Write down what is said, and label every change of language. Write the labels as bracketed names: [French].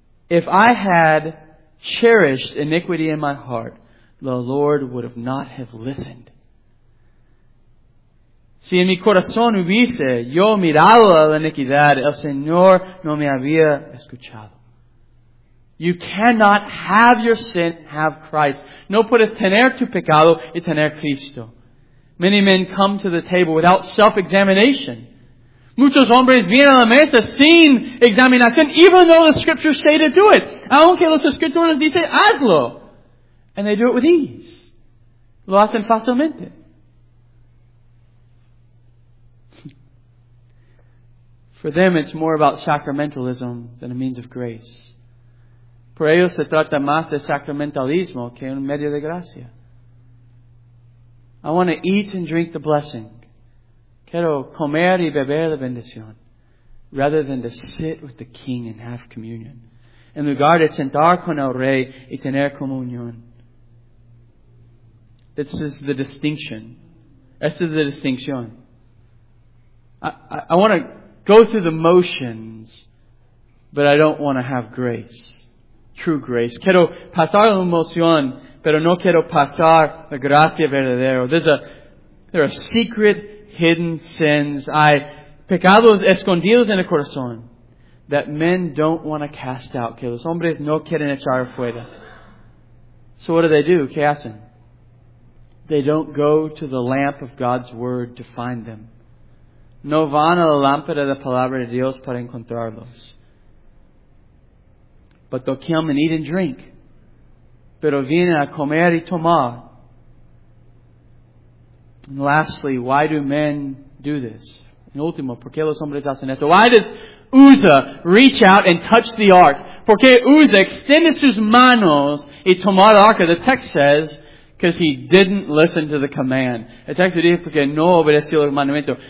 [English] If I had cherished iniquity in my heart, the Lord would have not have listened. [Spanish] Si en mi corazón hubiese yo mirado la iniquidad, el Señor no me había escuchado. [English] You cannot have your sin, have Christ. [Spanish] No puedes tener tu pecado y tener Cristo. [English] Many men come to the table without self-examination. [Spanish] Muchos hombres vienen a la mesa sin examinación, [English] even though the scriptures say to do it. [Spanish] Aunque los escrituras dicen, hazlo. [English] And they do it with ease. [Spanish] Lo hacen fácilmente. [English] For them, it's more about sacramentalism than a means of grace. [Spanish] Por ellos se trata más de sacramentalismo que un medio de gracia. [English] I want to eat and drink the blessing. [Spanish] Quiero comer y beber la bendición. [English] Rather than to sit with the king and have communion. [Spanish] En lugar de sentar con el rey y tener comunión. [English] This is the distinction. [Spanish] Esta es la distinción. [English] I want to go through the motions, but I don't want to have grace. True grace. [Spanish] Quiero pasar la emoción, pero no quiero pasar la gracia verdadera. [English] There are secret, hidden sins. [Spanish] Hay pecados escondidos en el corazón [English] that men don't want to cast out. [Spanish] Que los hombres no quieren echar afuera. [English] So what do they do? [Spanish] ¿Qué hacen? [English] They don't go to the lamp of God's Word to find them. [Spanish] No van a la lámpara de la palabra de Dios para encontrarlos. [English] But they'll come and eat and drink. [Spanish] Pero vienen a comer y tomar. [English] And lastly, why do men do this? [Spanish] En último, ¿por qué los hombres hacen esto? [English] Why does Uzzah, reach out and touch the ark. [Spanish] Porque Uzzah extiende sus manos y tomó el arca. [English] The text says, because he didn't listen to the command. [Spanish] El texto dice porque no obedeció los mandamientos.